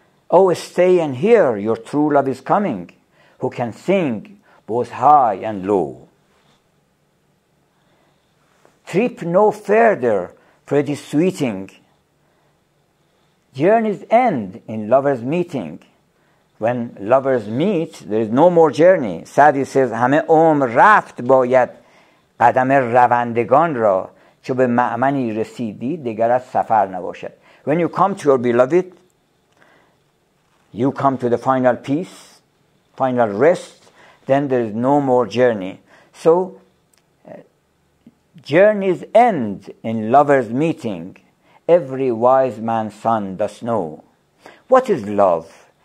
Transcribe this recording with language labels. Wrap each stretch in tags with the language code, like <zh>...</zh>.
<en>Oh, stay and hear, your true love is coming, who can sing both high and low. Trip no further, pretty sweeting. Journeys end in lovers meeting. When lovers meet, there is no more journey. Sa'di says,</en> <fa>همه عمر رفت باید قدم روندگان را چو به معمنی رسیدی دیگر از سفر نباشد.</fa> <en>When you come to your beloved, you come to the final peace, final rest, then there is no more journey. So, journeys end in lovers meeting. Every wise man's son does know. What is love?</en>